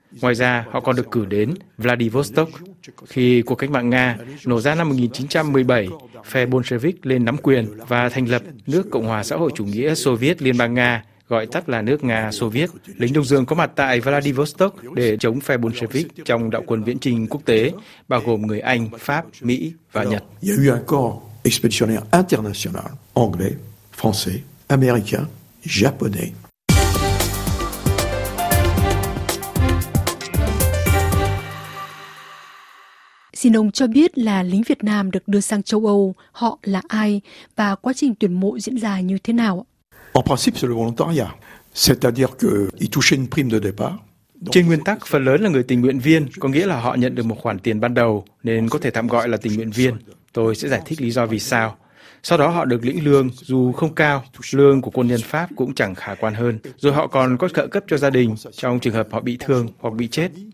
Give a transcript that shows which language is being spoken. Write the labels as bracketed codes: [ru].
[vi] Ngoài ra, họ còn được cử đến Vladivostok. Khi cuộc cách mạng Nga nổ ra năm 1917, phe Bolshevik lên nắm quyền và thành lập nước Cộng hòa xã hội chủ nghĩa Xô Viết Liên bang Nga, gọi tắt là nước Nga Xô Viết. Lính Đông Dương có mặt tại Vladivostok để chống phe Bolshevik trong đạo quân viễn chinh quốc tế, bao gồm người Anh, Pháp, Mỹ và Nhật. [fr] Il y a eu un corps expéditionnaire international, anglais, français, américain, japonais. [vi] Xin ông cho biết là lính Việt Nam được đưa sang châu Âu, họ là ai và quá trình tuyển mộ diễn ra như thế nào? [fr] En principe, c'est le volontariat, c'est-à-dire qu'il touchait une prime de départ. [vi] Trên nguyên tắc, phần lớn là người tình nguyện viên, có nghĩa là họ nhận được một khoản tiền ban đầu, nên có thể tạm gọi là tình nguyện viên. Tôi sẽ giải thích lý do vì sao. Sau đó họ được lĩnh lương, dù không cao, lương của quân nhân Pháp cũng chẳng khả quan hơn. Rồi họ còn có trợ cấp cho gia đình trong trường hợp họ bị thương hoặc bị chết.